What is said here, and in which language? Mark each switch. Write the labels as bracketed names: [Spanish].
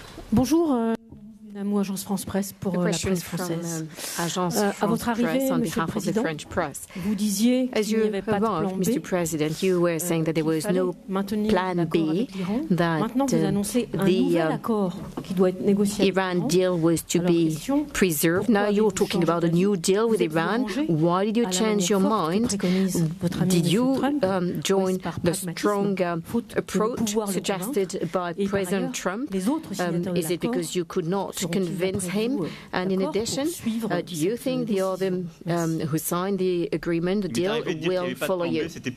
[French] Bonjour, Namou, Agence France Presse pour la presse française. À votre arrivée, Monsieur le Président, vous disiez qu'il n'y avait pas de plan B. [English] Mr. President, you were saying that there was no plan B. [French] Maintenant, vous annoncez un nouvel accord qui doit être négocié. [English] Iran deal was to be preserved. Now you're talking about a new deal with Iran. Why did you change your mind? Did you join the strong approach suggested by President Trump? Is it because you could not convince him? And in addition, do you think the other who signed the agreement, the deal, will follow you?